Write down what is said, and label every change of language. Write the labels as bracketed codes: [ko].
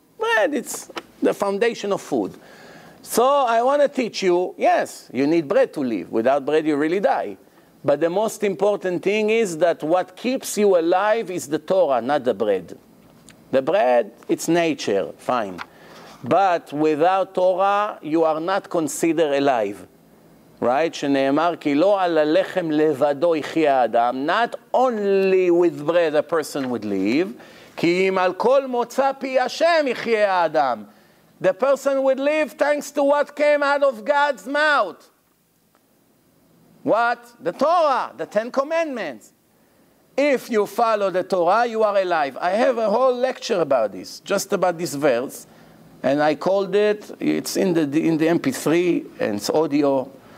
[en] Bread, it's the foundation of food. So I want to teach you, yes, you need bread to live. Without bread, you really die. But the most important thing is that what keeps you alive is the Torah, not the bread. The bread, it's nature, fine. But without Torah, you are not considered alive. Right? [he] שנאמר, כי לא על הלחם לבדו יחיה האדם, [en] not only with bread a person would live, [he] כי אם על כל מוצא פי השם יחיה האדם. [en] The person would live thanks to what came out of God's mouth. What? The Torah, the Ten Commandments. If you follow the Torah, you are alive. I have a whole lecture about this, just about this verse, and I called it, it's in the MP3, and it's audio.